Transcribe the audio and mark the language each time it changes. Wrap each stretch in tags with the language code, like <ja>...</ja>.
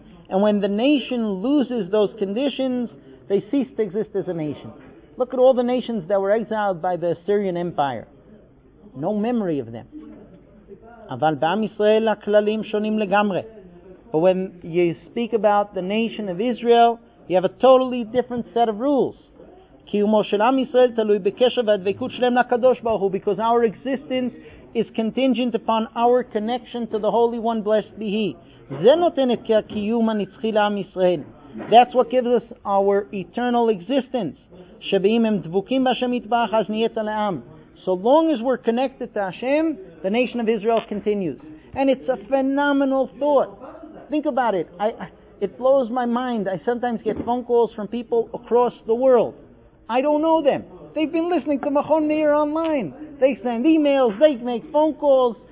<en>And when the nation loses those conditions, they cease to exist as a nation. Look at all the nations that were exiled by the Assyrian Empire. No memory of them.</en> <he>אבל בעם ישראל הכללים שונים לגמרי.</he> <en>But when you speak about the nation of Israel, you have a totally different set of rules.</en> <he>קיומו של עם ישראל תלוי בקשר והדבקות שלהם לקדוש ברוך הוא,</he> <en>because our existence is contingent upon our connection to the Holy One, blessed be He.</en> <he>זה נותן את הקיום הנצחי לעם ישראל.</he> <en>That's what gives us our eternal existence.</en> <he>שבאם הם דבוקים בהשם יתברך, אז נהיית לעם.</he> <en>So long as we're connected to Hashem, the nation of Israel continues. And it's a phenomenal thought. Think about it. It blows my mind. I sometimes get phone calls from people across the world. I don't know them. They've been listening to Machon Meir online. They send emails, they make phone calls.</en>